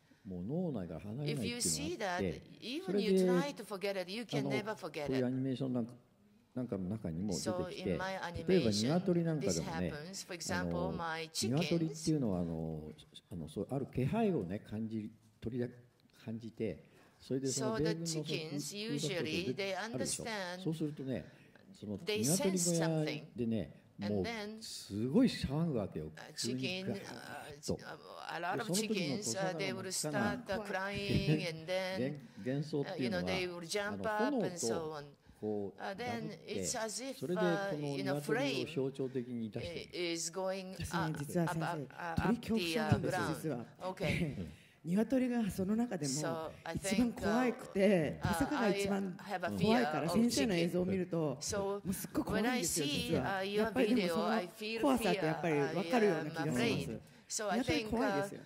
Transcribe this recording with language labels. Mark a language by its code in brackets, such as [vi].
[ja] もう脳内から離れないっていうのがあって、それで、こういうアニメーションなんかの中にも出てきて、例えば鶏なんかでもね、鶏っていうのはそうある気配をね感じ、鳥が感じて、それでその米軍の食であるでしょ。そうするとね、その鶏小屋でね、もうすごい騒ぐわけよ。急にガーッと。 [en] A lot of chickens, they will start crying, and then, you know, they will jump up and so on. Then it's as if, you know, flame is going up the ground. Okay. [ja] ニワトリがその中でも一番怖くて、パサカが一番怖いから、先生の映像を見るともうすっごく怖いんですよ。実はやっぱりでもその怖さってやっぱり分かるような気がします。ニワトリ怖いですよ。